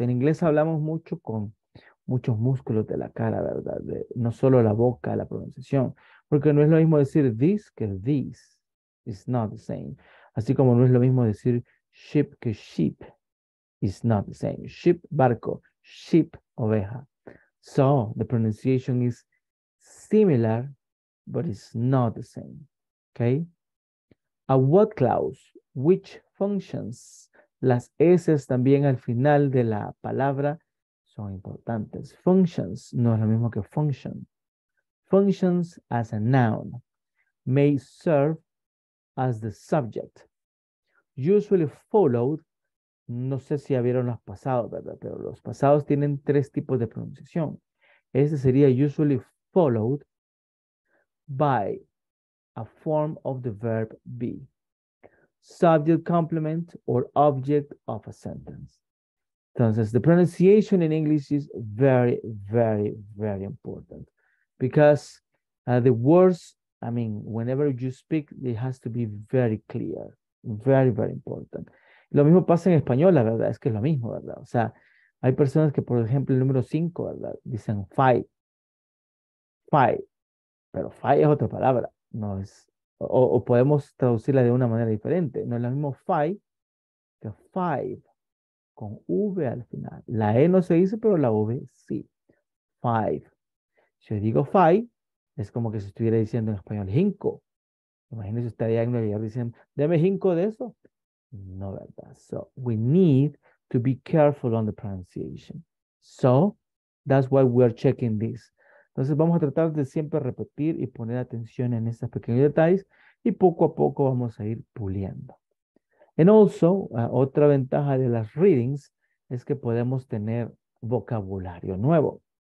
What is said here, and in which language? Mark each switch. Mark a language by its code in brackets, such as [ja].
[es] En inglés hablamos mucho con muchos músculos de la cara, ¿verdad? De, no solo la boca, la pronunciación. Porque no es lo mismo decir this que this. [en] It's not the same. [es] Así como no es lo mismo decir ship que sheep. [en] It's not the same. Ship, barco. Sheep, oveja. So, the pronunciation is similar, but it's not the same. Okay? A what clause? Which functions? [es] Las S también al final de la palabra son importantes. Functions no es lo mismo que function. [en] Functions as a noun may serve as the subject. Usually followed, [es] no sé si ya vieron los pasados, ¿verdad? Pero los pasados tienen tres tipos de pronunciación. Este sería [en] usually followed by a form of the verb be. Subject complement or object of a sentence. Entonces, the pronunciation in English is very, very, very important. Because the words, I mean, whenever you speak, it has to be very clear, very, very important. [es] Lo mismo pasa en español, la verdad, es que es lo mismo, ¿verdad? O sea, hay personas que, por ejemplo, el número 5, ¿verdad? Dicen five, five, pero five es otra palabra, no es, o podemos traducirla de una manera diferente. No es lo mismo five que five, con V al final. La E no se dice, pero la V sí, five. Si yo digo five, es como que se estuviera diciendo en español cinco. Imagínense, estaría en Nueva York diciendo, deme cinco de eso. No, ¿verdad? [en] So, we need to be careful on the pronunciation. So, that's why we are checking this. [es] Entonces, vamos a tratar de siempre repetir y poner atención en estos pequeños detalles. Y poco a poco vamos a ir puliendo. [en] And also, [es] otra ventaja de las readings es que podemos tener vocabulario nuevo.